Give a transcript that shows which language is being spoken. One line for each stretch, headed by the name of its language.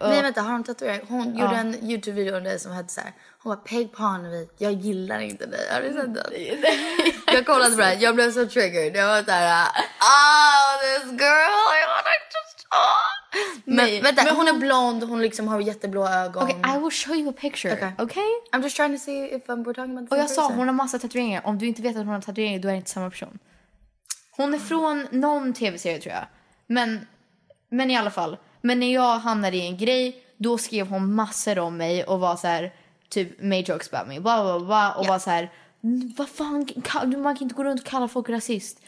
Swedish: Nej, vänta, har hon tatueringar? Hon gjorde en YouTube-video om det som hette så här. Hon bara, Peg Panovit, jag gillar inte dig. Har du sett det? Jag kollade på det, jag blev så triggered. Jag var såhär,
English: this girl, I wanna just...
Swedish: Men, vänta, men hon är blond, hon liksom har jätteblå ögon.
English: Okay, I will show you a picture, okay? I'm just trying to see if we're talking about the same
Swedish: Och jag sa, hon har massa tatueringar. Om du inte vet att hon har tatueringar, då är det inte samma person. Hon är från någon tv-serie, tror jag. Men i alla fall. Men när jag hamnade i en grej, då skrev hon massor om mig och var så här. Typ
English: made jokes about me,
Swedish: blah, blah, blah, blah, och bara såhär, vad fan, man kan inte gå runt och kalla folk rasist.